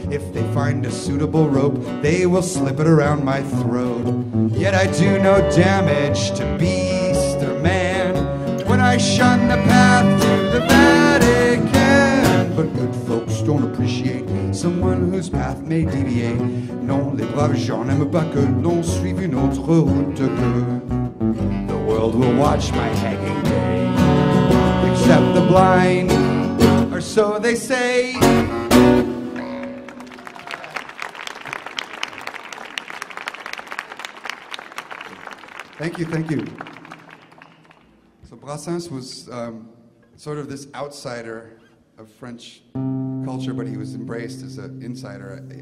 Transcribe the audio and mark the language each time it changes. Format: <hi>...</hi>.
<en>If they find a suitable rope, they will slip it around my throat. Yet I do no damage to beast or man when I shun the path to the Vatican. But good folks don't appreciate someone whose path may deviate.</en> <fr>Non, les braves gens n'aiment pas que l'on suive une autre route que.</fr> <en>The world will watch my hanging day, except the blind, or so they say. Thank you, thank you. So Brassens was sort of this outsider of French culture, but he was embraced as an insider.</en>